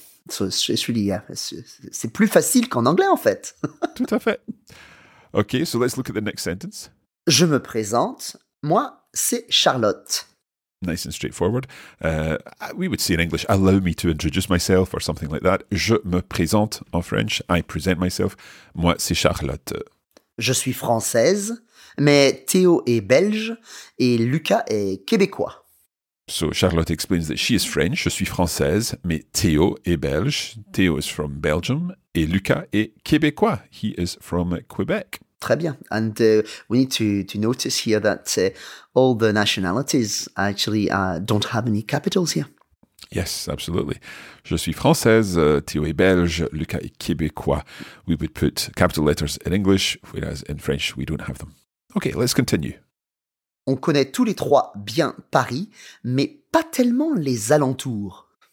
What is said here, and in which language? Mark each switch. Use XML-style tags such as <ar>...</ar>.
<en>So it's really,</en> <fr>c'est plus facile qu'en anglais, en fait. Tout à fait.</fr> <en>Okay, so let's look at the next sentence.</en> <fr>Je me présente. Moi, c'est Charlotte.</fr> <en>Nice and straightforward. We would say in English, allow me to introduce myself or something like that.</en> <fr>Je me présente en French.</fr> <en>I present myself.</en> <fr>Moi, c'est Charlotte. Je suis française, mais Théo est belge et Lucas est québécois.</fr> <en>So Charlotte explains that she is French.</en> <fr>Je suis française, mais Théo est belge.</fr> <en>Théo is from Belgium</en> <fr>et Lucas est québécois.</fr> <en>He is from Quebec.</en> <fr>Très bien.</fr> <en>And we need to notice here that all the nationalities actually don't have any capitals here. Yes, absolutely.</en> <fr>Je suis française, Théo est belge, Lucas est québécois.</fr> <en>We would put capital letters in English, whereas in French, we don't have them. Okay, let's continue.</en> <fr>On connaît tous les trois bien Paris, mais pas tellement les alentours.</fr>